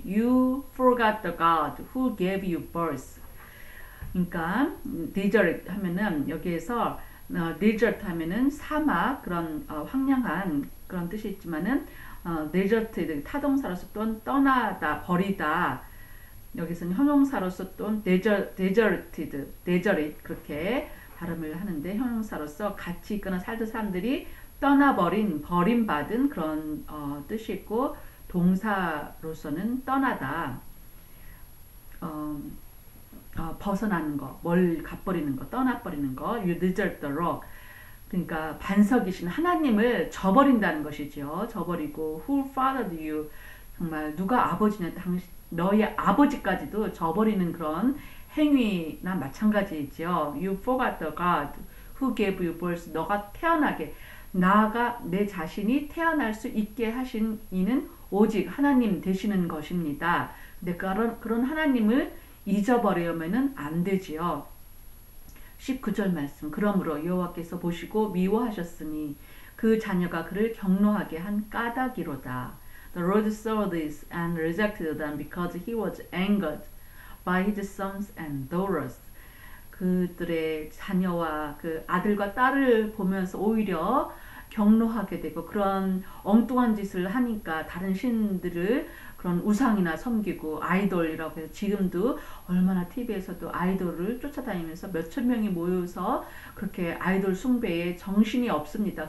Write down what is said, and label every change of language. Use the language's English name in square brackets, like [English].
[English] You forgot the God who gave you birth. [Korean] 그러니까 desert 하면은 여기에서 desert 하면은 사막, 그런 황량한 그런 뜻이 있지만은 deserted 타동사로서 또는 떠나다, 버리다, 여기서는 형용사로서 또는 deserted 그렇게 발음을 하는데, 형용사로서 같이 있거나 살던 사람들이 떠나버린, 버림받은 그런 뜻이 있고, 동사로서는 떠나다, 벗어나는 거, 뭘 갚아버리는 거, 떠나버리는 거. [English] You desert the rock. [Korean] 그러니까 반석이신 하나님을 저버린다는 것이지요. 저버리고, [English] who fathered you? [Korean] 정말 누가 아버지냐, 당신, 너의 아버지까지도 저버리는 그런 행위나 마찬가지이지요. [English] You forgot the God who gave you birth. [Korean] 너가 태어나게, 나가 내 자신이 태어날 수 있게 하신 이는 오직 하나님 되시는 것입니다. 근데 그런 하나님을 잊어버리면은 안 되지요. 19절 말씀, 그러므로 여호와께서 보시고 미워하셨으니 그 자녀가 그를 경노하게 한 까닭이로다. [English] The Lord saw this and rejected them because he was angered by his sons and daughters. [Korean] 그들의 자녀와 그 아들과 딸을 보면서 오히려 경로하게 되고 그런 엉뚱한 짓을 하니까 다른 신들을 그런 우상이나 섬기고 아이돌이라고 해서 지금도 얼마나 TV에서도 아이돌을 쫓아다니면서 몇천 명이 모여서 그렇게 아이돌 숭배에 정신이 없습니다.